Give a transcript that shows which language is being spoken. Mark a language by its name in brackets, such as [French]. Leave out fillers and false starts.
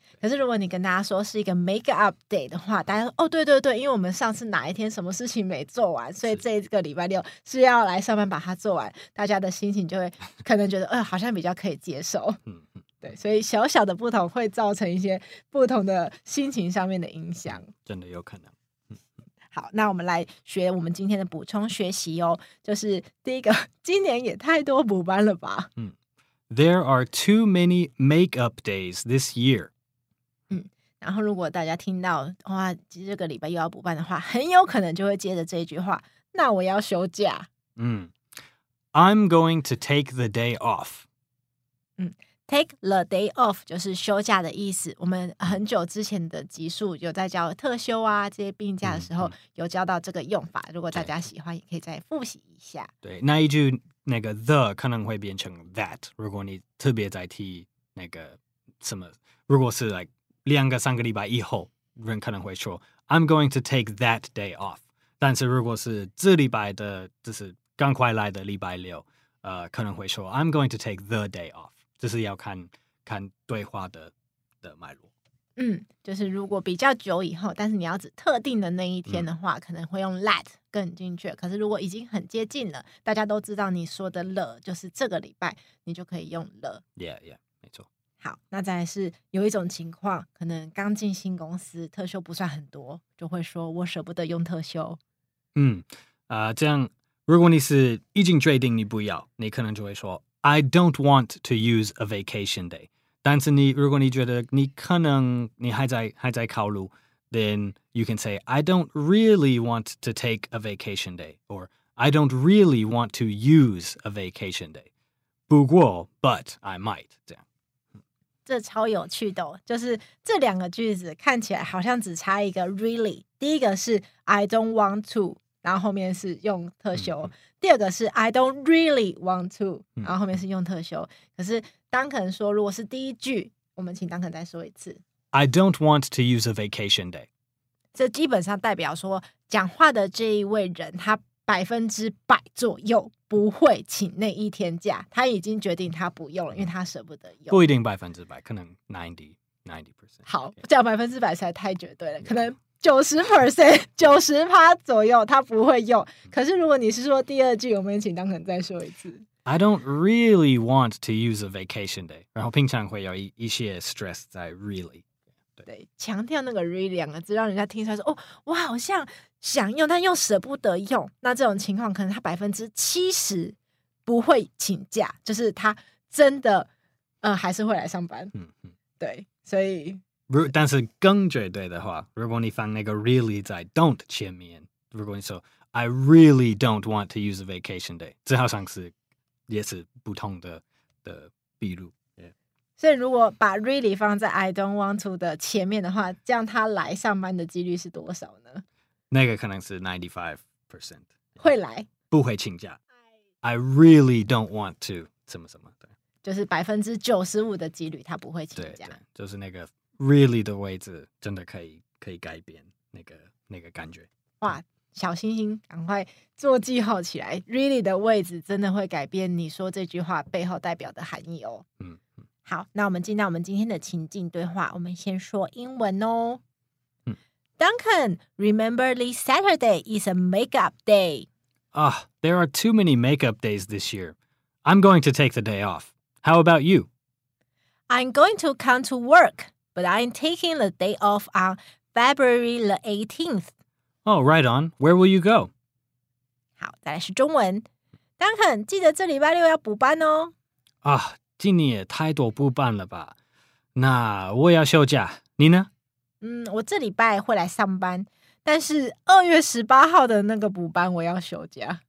[Chinese] 可是如果你跟大家说是一个 [English] make up day [Chinese] 的话，大家说哦，对对对，因为我们上次哪一天什么事情没做完，所以这个礼拜六是要来上班把它做完，大家的心情就会可能觉得好像比较可以接受。对，所以小小的不同会造成一些不同的心情上面的影响，真的有可能。好，那我们来学我们今天的补充学习哦，就是第一个，今年也太多补班了吧。 [English] There are too many make up days this year. [Chinese] 然后如果大家听到哇，这个礼拜又要补班的话，很有可能就会接着这句话，那我要休假。 [English] I'm going to take the day off. Take the day off [Chinese] 就是休假的意思。我们很久之前的集数有在教特休啊，这些病假的时候有教到这个用法，如果大家喜欢也可以再复习一下。对，那一句那个 the 可能会变成 that, 如果你特别在提那个什么，如果是 like 两个三个礼拜以后，人可能会说 [English] I'm going to take that day off, [Chinese] 但是如果是这礼拜的，就是刚快来的礼拜六，可能会说 [English] I'm going to take the day off, [Chinese] 就是要看对话的脉络。就是如果比较久以后，但是你要指特定的那一天的话，可能会用 that 更精确。可是如果已经很接近了，大家都知道你说的了，就是这个礼拜，你就可以用了。 [English] Yeah, yeah, [Chinese] 没错。好，那再来是有一种情况，可能刚进新公司，特休不算很多，就会说我舍不得用特休。这样，如果你是已经决定你不要，你可能就会说 [English] I don't want to use a vacation day. [Chinese] 但是你如果你觉得你可能你还在考虑 [English] then you can say, I don't really want to take a vacation day, or I don't really want to use a vacation day. [Chinese] 不过 [English] but I might. [Chinese] 这样。这超有趣的哦，就是这两个句子看起来好像只差一个 really. 第一个是 [English] I don't want to, [Chinese] 然后后面是用特休，第二个是 [English] I don't really want to, [Chinese] 然后后面是用特休。可是Duncan说，如果是第一句，我们请Duncan再说一次。 [English] I don't want to use a vacation day. [Chinese] 这基本上代表说，讲话的这一位人，他100%左右不会请那一天假，他已经决定他不用了，因为他舍不得用。不一定100%，可能90%。好，讲100%实在太绝对了，可能。90%左右他不会用。可是如果你是说第二句，我们请当可能再说一次。 [English] I don't really want to use a vacation day. [Chinese] 然后平常会有一些 stress 在 really. 对，强调那个 really 两个字，让人家听出来说哦，我好像想用但又舍不得用。那这种情况可能他70%不会请假，就是他真的还是会来上班。对，所以。但是更绝对的话，如果你放那个 really 在 don't 前面，如果你说 [English] I really don't want to use a vacation day, [Chinese] 这好像是也是不同的比如。所以如果把 really 放在 [English] I don't want to [Chinese] 的前面的话，这样他来上班的几率是多少呢？那个可能是 95% 会来，不会请假。 [English] I really don't want to [Chinese] 什么什么，对，就是95%的几率他不会请假。对对，就是那个 really 的位置真的可以改变那个感觉。哇，小星星赶快做记号起来， really 的位置真的会改变你说这句话背后代表的含义哦。嗯，好，那我们进到我们今天的情境对话，我们先说英文哦。嗯、 [English] Duncan, remember this Saturday is a makeup day. Ah,、there are too many makeup days this year. I'm going to take the day off. How about you? I'm going to come to work, but I'm taking the day off on February the 18th. Oh, right on. Where will you go? [Chinese] 好，再来是中文。 Duncan, 记得这礼拜六要补班哦。 Ah,今年也太多不办了吧，那我也要休假，你呢？嗯，我这礼拜会来上班，但是2月18号的那个补班我要休假。